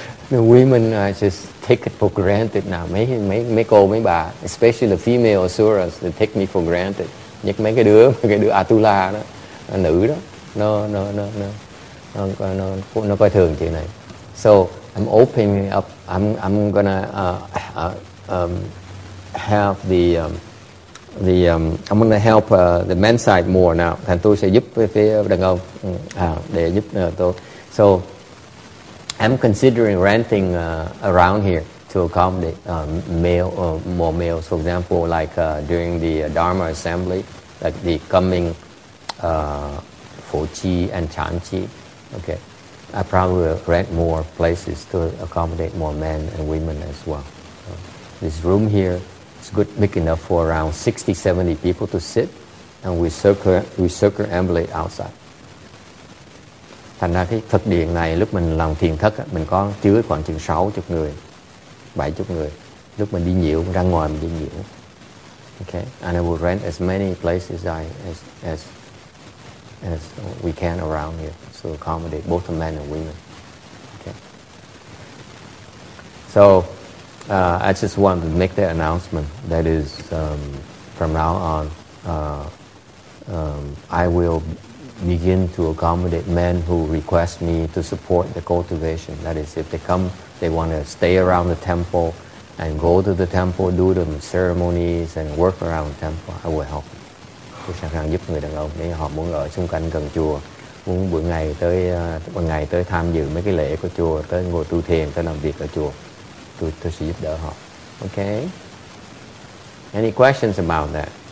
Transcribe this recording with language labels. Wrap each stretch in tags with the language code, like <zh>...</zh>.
<en>The women are just take it for granted now.</en> <vi>Mấy cô, mấy bà,</vi> <en>especially the female asuras, they take me for granted.</en> <vi>Nhất mấy cái đứa Atula đó, nữ đó, nó coi thường chuyện này.</vi> <en>So I'm opening up. I'm gonna have I'm gonna help the men's side more now.</en> <vi>Thành tôi sẽ giúp phía đàn ông để giúp tôi.</vi> <en>So I'm considering renting around here to accommodate more males. For example, like during the Dharma assembly, like the coming Phổ Chi and Chán Chi. Okay. I probably will rent more places to accommodate more men and women as well. This room here is good, big enough for around 60-70 people to sit, and we circumambulate outside.</en> <vi>Thành ra cái thực điện này lúc mình làm thiền thất á, mình có chứa khoảng chừng 70 người. Lúc mình đi nhiễu, ra ngoài mình đi nhiễu.</vi> <en>Okay, and I will rent as many places as we can around here. To accommodate both the men and women. Okay. So I just wanted to make that announcement. That is, from now on, I will begin to accommodate men who request me to support the cultivation. That is, if they come, they want to stay around the temple and go to the temple, do the ceremonies and work around the temple, I will help.</en> <vi>Tôi sẵn sàng giúp người đàn ông nếu họ muốn ở xung quanh gần chùa. Muốn bữa ngày tới tham dự mấy cái lễ của chùa, tới ngồi tu thiền, tới làm việc ở chùa, tôi sẽ giúp đỡ họ.</vi> <en>Okay. Any questions about that?</en>